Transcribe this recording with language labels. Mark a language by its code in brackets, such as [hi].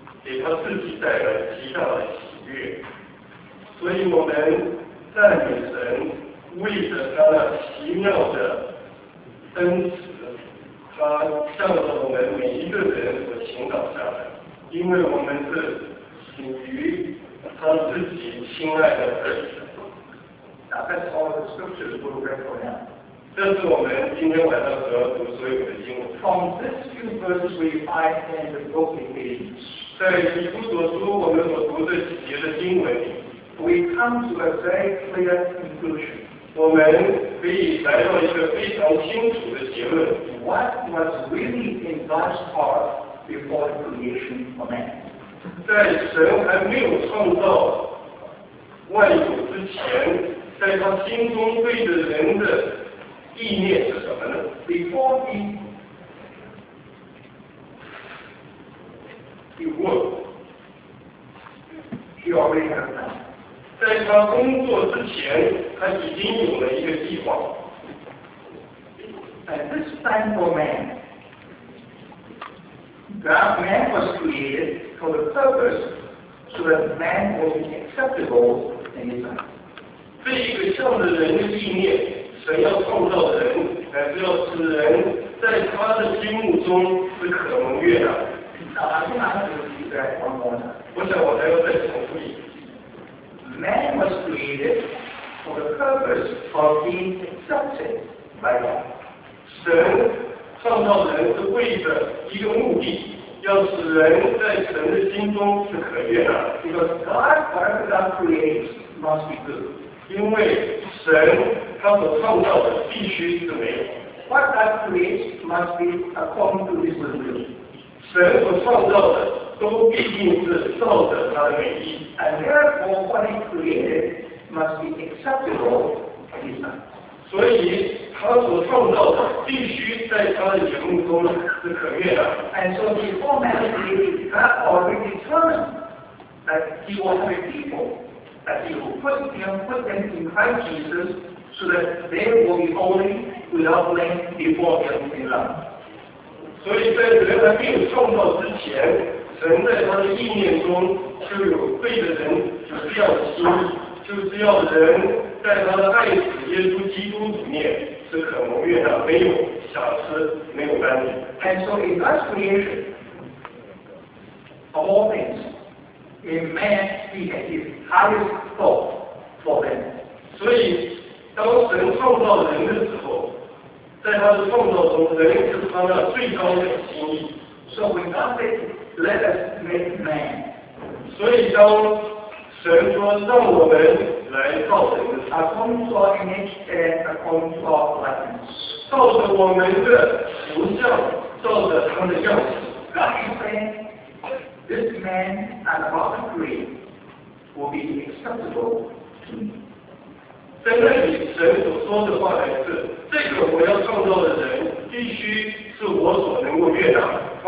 [zh] 给他自己带来极大的喜悦。所以我们赞美神，为着他那奇妙的恩慈，他向着我们每一个人所倾倒下来，因为我们是属于他自己亲爱的儿子。 [en] That's all the scriptures we're going to read. [zh] 这是我们今天晚上所要读所有的经文。 [en] From these few verses we find in the opening page, [zh] 在以弗所书我们所读这几节的经文里， [en] we come to a very clear conclusion. [zh] 我们可以来到一个非常清楚的结论。 [en] What was really in God's heart before the creation of man? [zh] 在神还没有创造万有之前，在他心中对着人的意念是什么呢？ [en] Before he worked, he already had a plan. [zh] 在他工作之前，他已经有了一个计划。 [en] And this plan for man, that man was created for the purpose so that man will be acceptable in his eyes. [zh] 这一个向着人的意念，神要创造人，乃是要使人在他的心目中是可蒙悦纳。我想我还要再重复一 [en] 次。Man was created for the purpose of being accepted by God. [zh] 神创造人是为着一个目的，要使人在神的心中是可悦纳。 [en] Because God, whatever God creates, must be good. [zh] 因为神他所创造的必须是美好。 [en] What God creates must be according to His will. [zh] 神所创造的都必定是照着他的美意。 [en] And therefore, what He created must be acceptable to His sight. [zh] 所以他所创造的必须在他的眼目中是可悦的。 [en] And so before man created, God already determined that He wanted people. That he will put them in Christ Jesus so that they will be holy without blame before him in love. [zh] 所以在人还没有创造之前，神在他的意念中就有对的人，就是要心，就是要人在他的爱子耶稣基督里面是可蒙悦纳，没有瑕疵，没有斑点。 [en] And so in God's creation of all things. In man, he had his highest thought for them. [zh] 所以，当神创造人的时候，在他的创造中，人是他那最高的心意。 [en] So when God said, "Let us make man," [zh] 所以当神说让我们来造人的时候 [en] ，according to our image and according to our likeness, [zh] 照着我们的形象，照着他的样式。 [en] God is saying. This man and God agree will be acceptable to me. [zh] 在那里，神所说的话来自这个我要创造的人，必须是我所能够悦纳的。